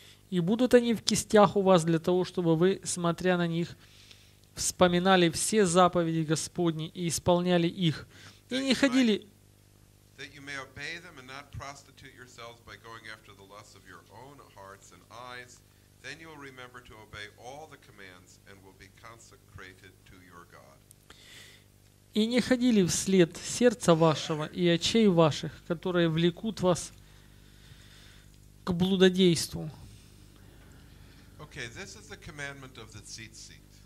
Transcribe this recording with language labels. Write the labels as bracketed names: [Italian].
[Russian] И будут они в кистях у вас для того, чтобы вы, смотря на них, вспоминали все заповеди Господни и исполняли их, и не ходили... [English] That you may obey them and not prostitute yourselves by going after the lusts of your own hearts and eyes. Then you will remember to obey all the commands and will be consecrated to your God. [Russian] И не ходили вслед сердца вашего и очей ваших, которые влекут вас к блудодейству. [English] Okay, this is the commandment of the tzitzit.